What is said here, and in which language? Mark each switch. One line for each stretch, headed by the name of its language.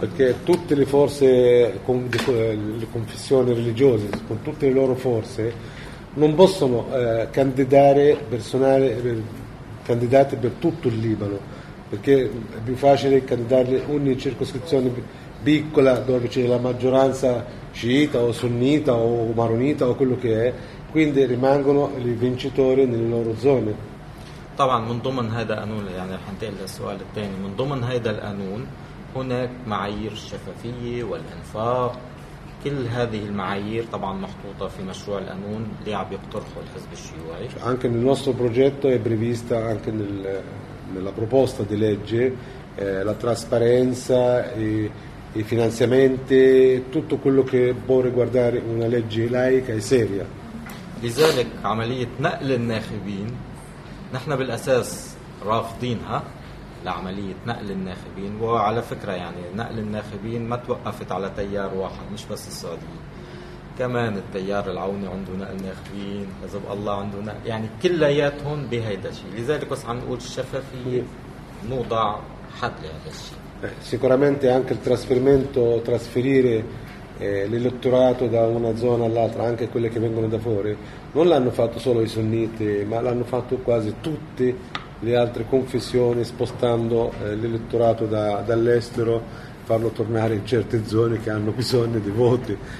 Italian: Perché tutte le forze le confessioni religiose con tutte le loro forze non possono candidare personale candidati per tutto il Libano perché è più facile candidarli ogni circoscrizione piccola dove c'è la maggioranza sciita o sunnita o maronita o quello che è, quindi rimangono i vincitori nelle loro zone.
Arabic: طبعا من ضمن هذا القانون يعني رح ننتقل للسؤال الثاني، من ضمن هذا القانون هناك معايير الشفافية والإنفاق، كل هذه المعايير طبعا محطوطة في مشروع القانون اللي عم يقترحه الحزب الشيوعي.
Italian: Anche nel nostro progetto è prevista anche nella proposta di legge la trasparenza i finanziamenti tutto quello che può riguardare una legge laica e seria.
Arabic: لذلك عملية نقل الناخبين نحن بالأساس رافضينها لعملية نقل الناخبين، وعلى فكرة يعني نقل الناخبين ما توقفت على تيار واحد مش بس السعودية، كمان التيار العوني عنده نقل ناخبين، حزب الله عنده نقل، يعني كلياتهم بهيدا الشيء. لذلك بس عم نقول الشفافية موضع حد لهذا الشيء.
Italian: Sicuramente anche il trasferimento trasferire l'elettorato da una zona all'altra, anche quelle che vengono da fuori, non l'hanno fatto solo i sunniti, ma l'hanno fatto quasi tutte le altre confessioni, spostando l'elettorato dall'estero, farlo tornare in certe zone che hanno bisogno di voti.